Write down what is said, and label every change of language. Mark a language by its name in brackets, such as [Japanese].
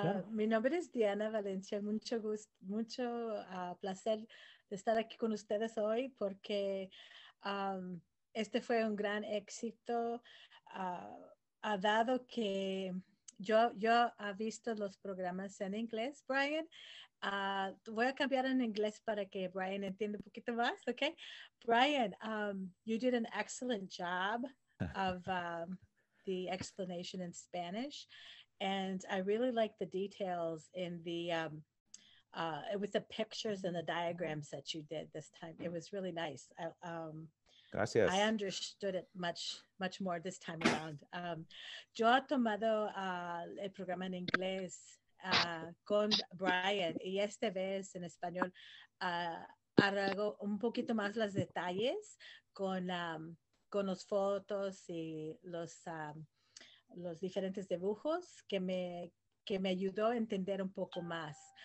[Spanish] Mi nombre es Diana Valencia, mucho gusto, mucho placer de estar aquí con ustedes hoy, porque este fue un gran éxito, dado que yo he visto los programas en inglés, Brian. Voy a cambiar en inglés para que Brian entienda un poquito más, ¿ok? [English] Brian, you did an excellent job of the explanation in Spanish. And I really like the details in the with the pictures and the diagrams that you did this time. It was really nice. [Spanish] Gracias. [English] I understood it much, much more this time around. [Spanish] Yo he tomado el programa en inglés con Brian, y esta vez en español arreglo un poquito más los detalles con los fotos y los diferentes dibujos que me ayudó a entender un poco más.